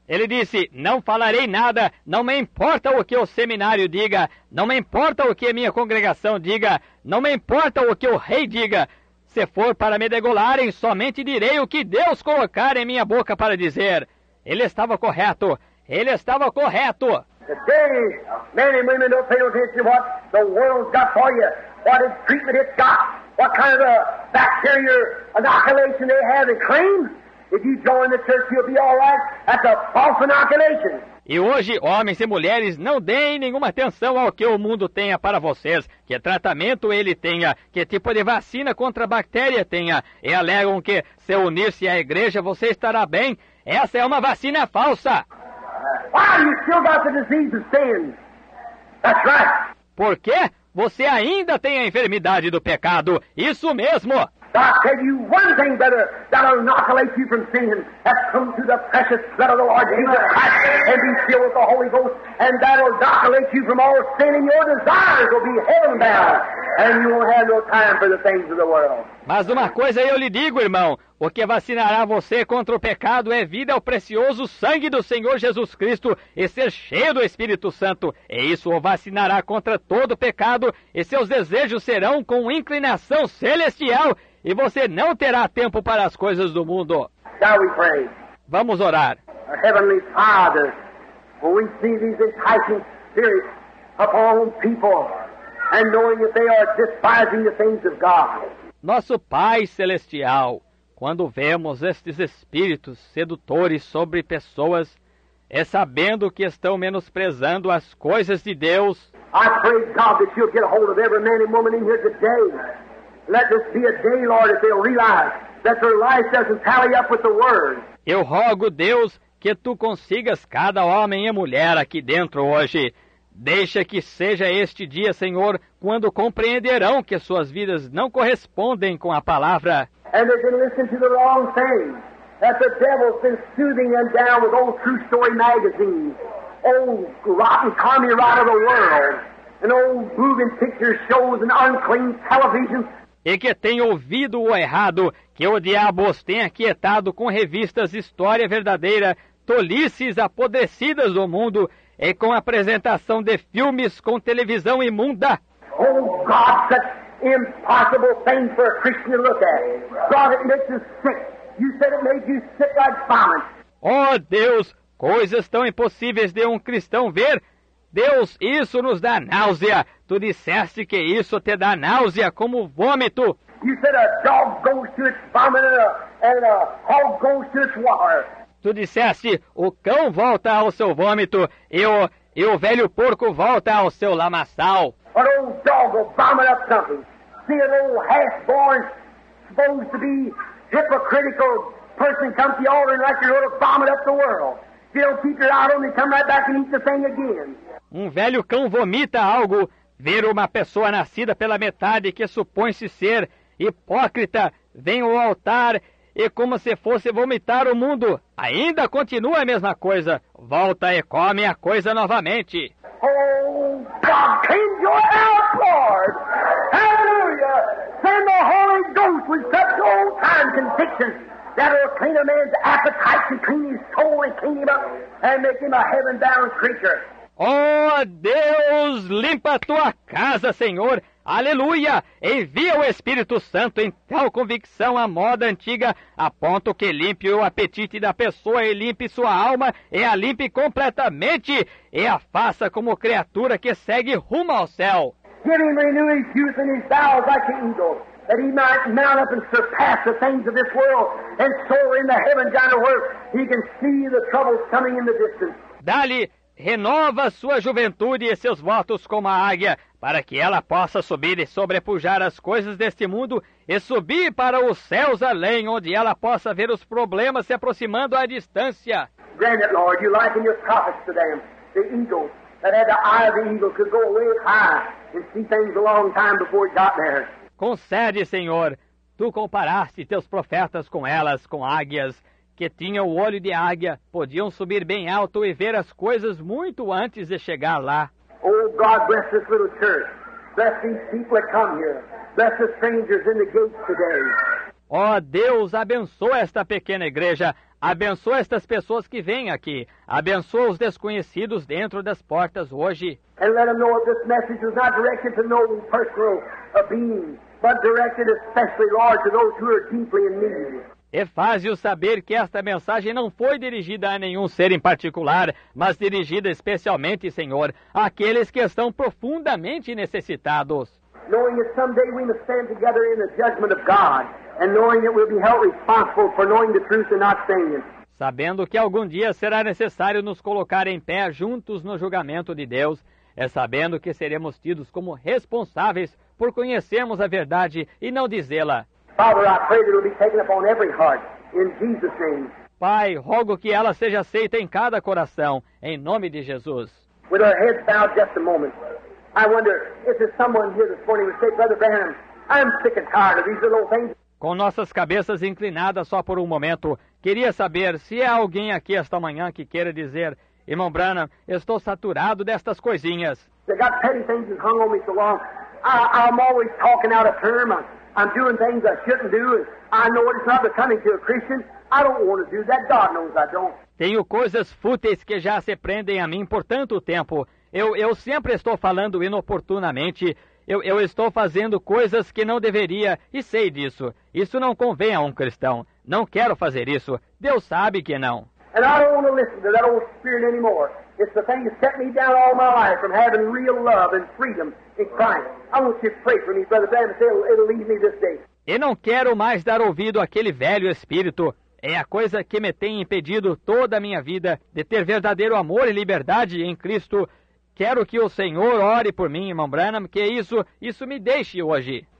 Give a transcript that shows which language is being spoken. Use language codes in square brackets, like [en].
[pt] Ele disse, não falarei nada, não me importa o que o seminário diga, não me importa o que a minha congregação diga, não me importa o que o rei diga. Se for para me degolarem, somente direi o que Deus colocar em minha boca para dizer. Ele estava correto. Ele estava correto. [en] Today, men and women don't pay attention to what the world's got for you, what its treatment it's got, what kind of a bacteria inoculation they have and claim. If you join the church, you'll be all right. That's a false inoculation. [pt] E hoje, homens e mulheres, não deem nenhuma atenção ao que o mundo tenha para vocês, que tratamento ele tenha, que tipo de vacina contra a bactéria tenha, e alegam que, se unir-se à igreja, você estará bem. Essa é uma vacina falsa. [en] Why you still got the disease of sin? That's right. [pt] Por quê? Você ainda tem a enfermidade do pecado. Isso mesmo. [en] But I'll tell you one thing, brother, that'll inoculate you from sin. That's come through the precious blood of the Lord Jesus Christ and be filled with the Holy Ghost. And that'll inoculate you from all sin, and your desires will be heaven bound. And you won't have no time for the things of the world. [pt] Mas uma coisa eu lhe digo, irmão. O que vacinará você contra o pecado é vida ao precioso sangue do Senhor Jesus Cristo e ser cheio do Espírito Santo. E isso o vacinará contra todo pecado e seus desejos serão com inclinação celestial e você não terá tempo para as coisas do mundo. [en] Shall we pray? [pt] Vamos orar. [en] Our Heavenly Father, when we see these enticing spirits upon people and knowing that they are despising the things of God. [pt] Nosso Pai Celestial, quando vemos estes espíritos sedutores sobre pessoas, é sabendo que estão menosprezando as coisas de Deus. [en] I pray God that you'll get a hold of every man and woman in here today. Let this be a day, Lord, that they'll realize that their life doesn't tally up with the word. [pt] Eu rogo, Deus, que tu consigas cada homem e mulher aqui dentro hoje. Deixa que seja este dia, Senhor, quando compreenderão que suas vidas não correspondem com a palavra. [en] And they've been listening to the wrong thing. That the devil's been soothing them down with old True Story magazines, old rotten commie rot of the world, and old moving picture shows and unclean television. [pt] E que tem ouvido o errado, que o diabo os tenha quietado com revistas História Verdadeira, tolices apodrecidas do mundo, e com apresentação de filmes com televisão imunda. [en] Oh, God, that's impossible thing for a Christian to look at. God, it makes you sick. You said it made you sick like vomit. [pt] Oh, Deus, coisas tão impossíveis de um cristão ver. Deus, isso nos dá náusea. Tu disseste que isso te dá náusea como vômito. [en] You said a dog goes to its vomit and a hog goes to its water. [pt] Tu disseste, o cão volta ao seu vômito e o velho porco volta ao seu lamaçal. [en] An old dog will vomit up something. See an old half-born, supposed to be hypocritical person come to the altar and like you're going to vomit up the world. If you don't keep your eye on it, come right back and eat the thing again. [pt] Um velho cão vomita algo. Ver uma pessoa nascida pela metade que supõe-se ser hipócrita vem ao altar e como se fosse vomitar o mundo. Ainda continua a mesma coisa. Volta e come a coisa novamente. [en] Oh, God, send your help, Lord. Hallelujah. Send the Holy Ghost with such old-time convictions that will clean a man's appetite and clean his soul and clean him up and make him a heaven-bound creature. [pt] Oh, Deus, limpa a tua casa, Senhor. Aleluia! Envia o Espírito Santo em tal convicção à moda antiga, a ponto que limpe o apetite da pessoa e limpe sua alma e a limpe completamente e a faça como criatura que segue rumo ao céu. [en] Give him renewing youth in his bowels like an eagle, that he might mount up and surpass the things of this world and soar in the heaven down to earth. He can see the troubles coming in the distance. [pt] Dá-lhe, renova sua juventude e seus votos como a águia, para que ela possa subir e sobrepujar as coisas deste mundo e subir para os céus além, onde ela possa ver os problemas se aproximando à distância. [en] Grant it, Lord, you liken your prophets to them, the eagle, that had the eye of the eagle could go way high and see things a long time before it got there. [pt] Concede, Senhor, tu comparaste teus profetas com elas, com águias, que tinham o olho de águia, podiam subir bem alto e ver as coisas muito antes de chegar lá. [en] Oh, God, bless this little church. Bless these people that come here. Bless the strangers in the gates today. [pt] Oh, Deus, abençoa esta pequena igreja. Abençoa estas pessoas que vêm aqui. Abençoa os desconhecidos dentro das portas hoje. [en] And let them know that this message is not directed to no personal being, but directed especially, Lord, to those who are deeply in need. [pt] E faz-o saber que esta mensagem não foi dirigida a nenhum ser em particular, mas dirigida especialmente, Senhor, àqueles que estão profundamente necessitados. [en] Knowing that someday we must stand together in the judgment of God, and knowing that we'll be held responsible for knowing the truth and not saying it. [pt] Sabendo que algum dia será necessário nos colocar em pé juntos no julgamento de Deus, é sabendo que seremos tidos como responsáveis por conhecermos a verdade e não dizê-la. [en] Father, I pray that it will be taken upon every heart, in Jesus' name. [pt] Pai, rogo que ela seja aceita em cada coração, em nome de Jesus. [en] With our heads bowed just a moment, I wonder if there's someone here this morning who would say, Brother Branham, I'm sick and tired of these little things. [pt] Com nossas cabeças inclinadas só por um momento, queria saber se há alguém aqui esta manhã que queira dizer: irmão Branham, estou saturado destas coisinhas. [en] They got petty things that hung on me so long. I'm always talking out of term. I'm doing things I shouldn't do. I know it's not becoming to a Christian. I don't want to do that. God knows I don't. [pt] Tenho coisas fúteis que já se prendem a mim por tanto tempo. Eu sempre estou falando inoportunamente. Eu estou fazendo coisas que não deveria e sei disso. Isso não convém a um cristão. Não quero fazer isso. Deus sabe que não. [en] And I don't want to listen to that old spirit anymore. It's the thing that set me down all my life from having real love and freedom in Christ. I want you to pray for me, Brother Branham. It'll leave me this day. [pt] E não quero mais dar ouvido àquele velho espírito. É a coisa que me tem impedido toda a minha vida de ter verdadeiro amor e liberdade em Cristo. Quero que o Senhor ore por mim, irmão Branham, que isso me deixe hoje.